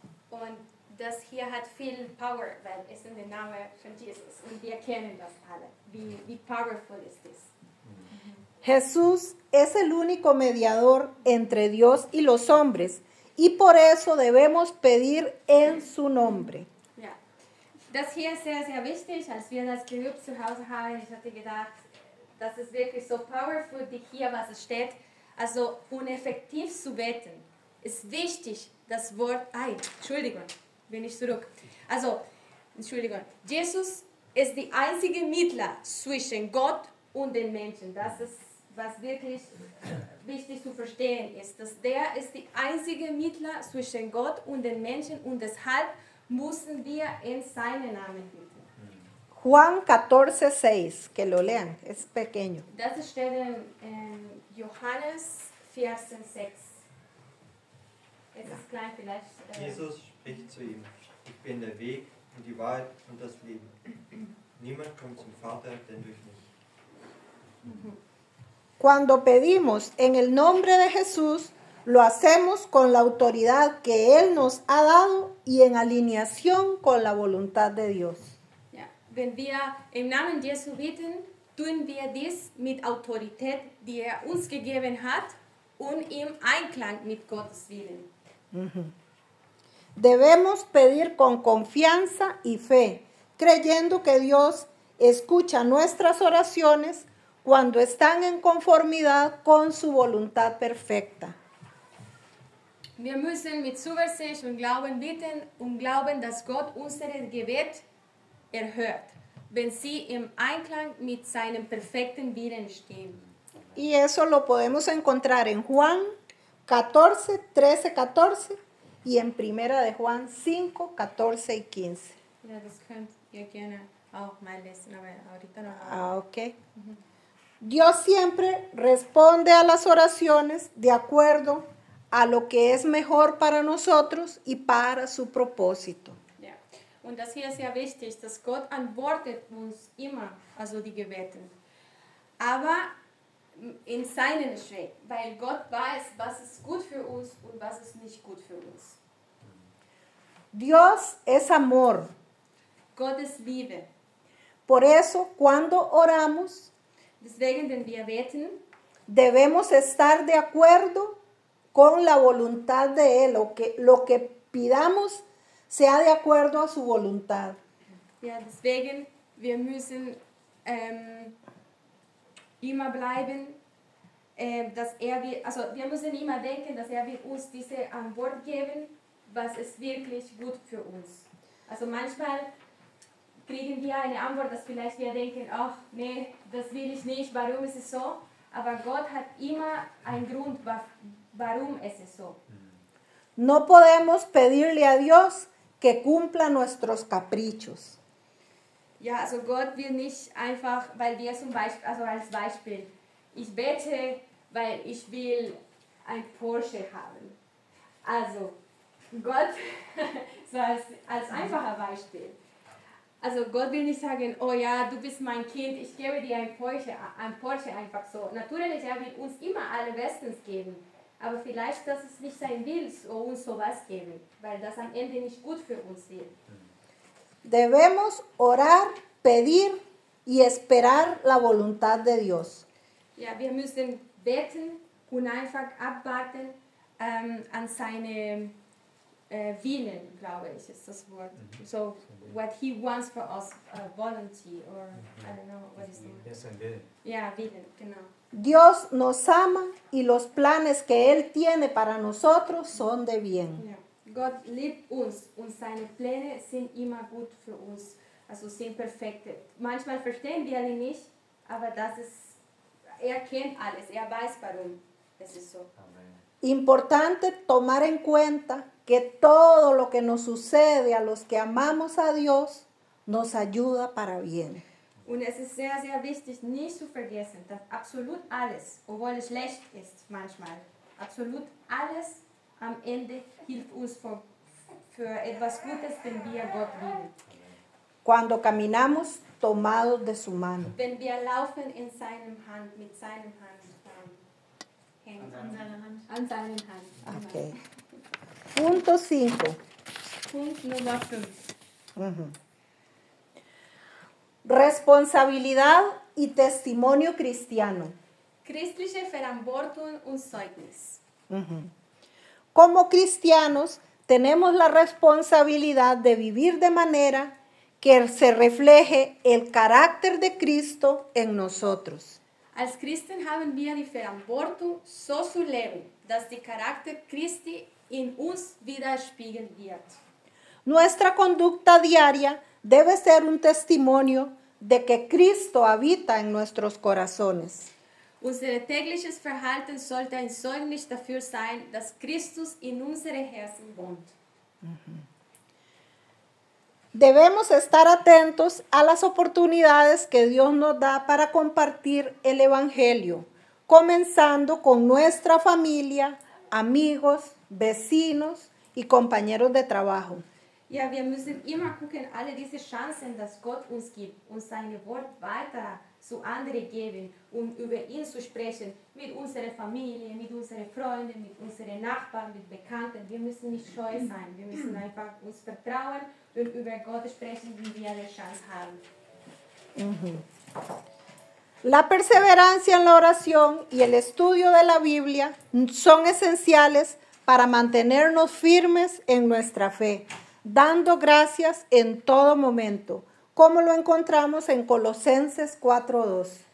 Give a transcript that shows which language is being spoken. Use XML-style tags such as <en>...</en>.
<de>Und das hier hat viel Power, weil es in dem Namen von Jesus. Und wir kennen das alle. Wie powerful ist das?</de> <es>Jesús es el único mediador entre Dios y los hombres. Y por eso debemos pedir en su nombre.</es> <de>Das hier ist sehr, sehr wichtig, als wir das geübt zu Hause haben. Ich hatte gedacht, das ist wirklich so powerful, die hier, was es steht. Also, uneffektiv zu beten, ist wichtig, das Wort... Entschuldigung. Jesus ist die einzige Mittler zwischen Gott und den Menschen. Das ist, was wirklich wichtig zu verstehen ist. Dass der ist die einzige Mittler zwischen Gott und den Menschen und deshalb müssen wir in seinen Namen bitten.</de> <es>Juan 14:6, que lo lean, es pequeño.</es> <de>Das steht in Johannes 14:6. Es ist klein vielleicht. Jesus spricht zu ihm: Ich bin der Weg und die Wahrheit und das Leben. Niemand kommt zum Vater, denn durch mich.</de> <es>Cuando pedimos en el nombre de Jesús, lo hacemos con la autoridad que Él nos ha dado y en alineación con la voluntad de Dios.</es> <de>Ja, wenn wir im Namen Jesu bitten, tun wir dies mit Autorität, die Er uns gegeben hat und im Einklang mit Gottes Willen.</de> <es>Debemos pedir con confianza y fe, creyendo que Dios escucha nuestras oraciones cuando están en conformidad con su voluntad perfecta.</es> <de>Wir müssen mit Zuversicht und Glauben bitten und glauben, dass Gott unser Gebet erhört, wenn sie im Einklang mit seinem perfekten Willen stehen.</de> <es>Y eso lo podemos encontrar en Juan 14:13-14 y en Primera de Juan 5:14-15.</es> <de>Ja, das könnt ihr gerne auch mal lesen, aber</de> <es>ahorita no. Ah, okay. Dios siempre responde a las oraciones de acuerdo a lo que es mejor para nosotros y para su propósito. Ja.</es> <de>Und das hier ist sehr wichtig, dass Gott antwortet uns immer, also die Gebete. Aber in seinen Schritt, weil Gott weiß, was ist gut für uns und was ist nicht gut für uns.</de> <es>Dios es amor.</es> <de>Gott ist Liebe.</de> <es>Por eso, cuando oramos,</es> <de>deswegen, wenn wir beten,</de> <es>debemos estar de acuerdo con la voluntad de Él, lo que pidamos sea de acuerdo a su voluntad.</es> <de>Ja, deswegen, wir müssen immer bleiben, dass er wir, also wir müssen immer denken, dass er wird uns diese Antwort geben, was ist wirklich gut für uns. Also manchmal kriegen wir eine Antwort, dass vielleicht wir denken, ach nee, das will ich nicht, warum ist es so? Aber Gott hat immer einen Grund, warum ist es so.</de> <es>No podemos pedirle a Dios que cumpla nuestros caprichos.</es> <de>Ja, also Gott will nicht einfach, weil wir zum Beispiel, also als Beispiel, ich bete, weil ich will ein Porsche haben. Also Gott, so als einfacher Beispiel. Also Gott will nicht sagen, oh ja, du bist mein Kind, ich gebe dir ein Porsche einfach so. Natürlich, er will uns immer alle Bestens geben. Aber vielleicht, dass es nicht sein will, so uns sowas geben, weil das am Ende nicht gut für uns wird.</de> <es>Debemos orar, pedir y esperar la voluntad de Dios.</es> <de>Ja, wir müssen beten und einfach abwarten an seine Willen, glaube ich, ist das Wort.</de> <en>So, what he wants for us, voluntary, or I don't know, what is the word? Yes, and Willen.</en> <de>Ja, Willen, genau.</de> <es>Dios nos ama y los planes que Él tiene para nosotros son de bien. Yeah.</es> <de>God liebt uns und seine Pläne sind immer gut für uns, also sind perfekt. Manchmal verstehen wir ihn nicht, aber das ist, er kennt alles, er weiß warum. Es ist so.</de> <es>Importante tomar en cuenta que todo lo que nos sucede a los que amamos a Dios nos ayuda para bien.</es> <de>Und es ist sehr, sehr wichtig, nicht zu vergessen, dass absolut alles, obwohl es schlecht ist manchmal, absolut alles am Ende hilft uns für etwas Gutes, wenn wir Gott lieben.</de> <es>Cuando caminamos tomados de su mano.</es> <de>Wenn wir laufen in seinem Hand, mit seinem Hand. An seiner Hand.</de> <es>Okay. Punto 5.</es> <de>Punkt Nummer 5.</de> <es>Responsabilidad y testimonio cristiano.</es> <de>Christliche Verantwortung und Zeugnis.</de> <es>Como cristianos tenemos la responsabilidad de vivir de manera que se refleje el carácter de Cristo en nosotros.</es> <de>Als Christen haben wir die Verantwortung, so zu leben, dass der Charakter Christi in uns widerspiegelt wird.</de> <es>Nuestra conducta diaria debe ser un testimonio de que Cristo habita en nuestros corazones.</es> <de>Unser tägliches Verhalten sollte ein Zeugnis dafür sein, dass Christus in unsere Herzen wohnt.</de> <es>Debemos estar atentos a las oportunidades que Dios nos da para compartir el Evangelio, comenzando con nuestra familia, amigos, vecinos y compañeros de trabajo.</es> <de>Ja, wir müssen immer gucken, alle diese Chancen, die Gott uns gibt, und sein Wort weiter zu anderen geben, um über ihn zu sprechen, mit unserer Familie, mit unseren Freunden, mit unseren Nachbarn, mit Bekannten. Wir müssen nicht scheu sein, wir müssen einfach uns vertrauen und über Gott sprechen, wie wir eine Chance haben.</de> <es>La perseverancia en la oración y el estudio de la Biblia son esenciales para mantenernos firmes en nuestra fe. Dando gracias en todo momento, como lo encontramos en Colosenses 4:2.</es>